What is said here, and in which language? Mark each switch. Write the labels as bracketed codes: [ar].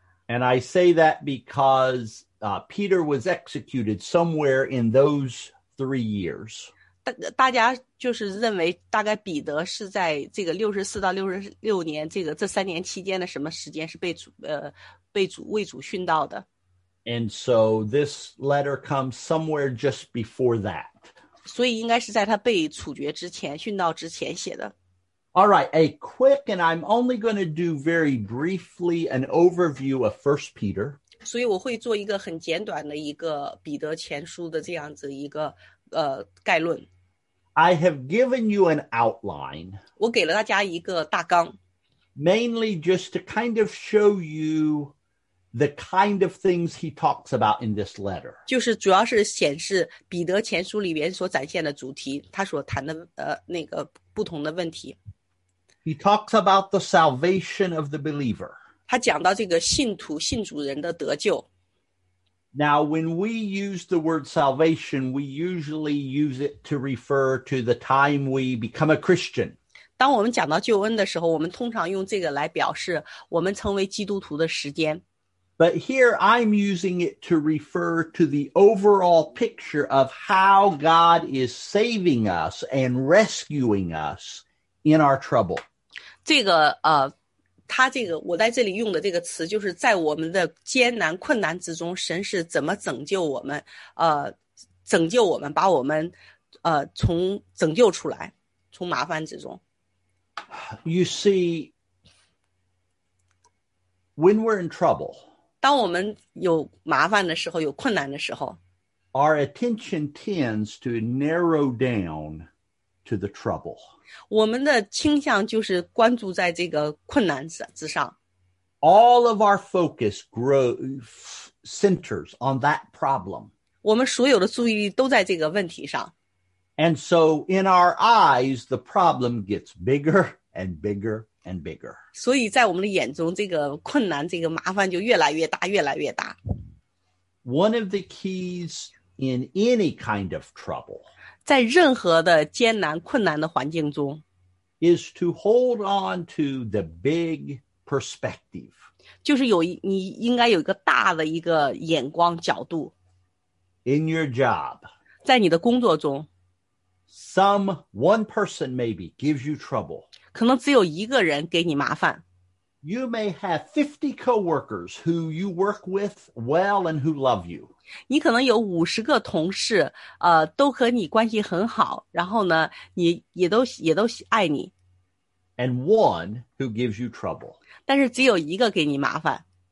[en] And I say that because Peter was executed somewhere in those 3 years. [zh] 大家就是认为大概彼得是在这个64到66年这三年期间的什么时间是为主殉道的。 [en] And so this letter comes somewhere just before that. [zh] 所以应该是在他被处决之前，殉道之前写的。 [en] All right, a quick, and I'm only going to do very briefly an overview of 1 Peter. [zh] 所以我会做一个很简短的一个彼得前书的这样子一个概论。 [en] I have given you an outline. [zh] 我给了大家一个大纲。 [en] Mainly just to kind of show you the kind of things he talks about in this letter. [zh] 就是主要是显示彼得前书里面所展现的主题，他所谈的那个不同的问题。 [en] He talks about the salvation of the believer. [zh] 他讲到这个信徒信主人的得救。 [en] Now, when we use the word salvation, we usually use it to refer to the time we become a Christian. [zh] 当我们讲到救恩的时候，我们通常用这个来表示我们成为基督徒的时间。 [en] But here I'm using it to refer to the overall picture of how God is saving us and rescuing us in our trouble. [zh] 这个他这个我在这里用的这个词就是在我们的艰难困难之中神是怎么拯救我们拯救我们把我们从拯救出来从麻烦之中。 [en] You see, when we're in trouble, [zh] 当我们有麻烦的时候有困难的时候 [en] our attention tends to narrow down to the trouble. [zh] 我们的倾向就是关注在这个困难之上。 [en] All of our focus centers on that problem. [zh] 我们所有的注意力都在这个问题上。 [en] And so in our eyes, the problem gets bigger and bigger and bigger. [zh] 所以在我们的眼中，这个困难，这个麻烦就越来越大，越来越大。 [en] One of the keys in any kind of trouble. [zh] 在任何的艰难困难的环境中 [en] is to hold on to the big perspective. [zh] 就是有你应该有一个大的一个眼光角度 [en] in your job. [zh] 在你的工作中 [en] some one person maybe gives you trouble. [zh] 可能只有一个人给你麻烦 [en] you may have 50 coworkers who you work with well and who love you. [zh] 你可能有50个同事都和你关系很好然后呢你也都爱你。 [en] And one who gives you trouble. [zh] 但是只有一个给你麻烦。